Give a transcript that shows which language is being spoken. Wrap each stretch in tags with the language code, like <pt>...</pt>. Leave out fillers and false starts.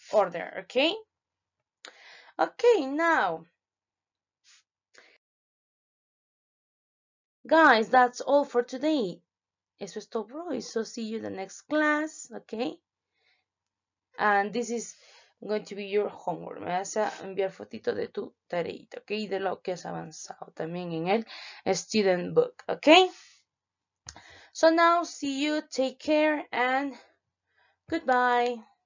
<en>Okay. Okay, now. Guys, that's all for today.</en> <es>Eso es todo por hoy.</es> <en>So see you in the next class. Okay. And this is going to be your homework.</en> <es>Me vas a enviar fotito de tu tareita, ¿ok? Y de lo que has avanzado también en el student book, ¿ok?</es> <en>So now, see you, take care, and goodbye.</en>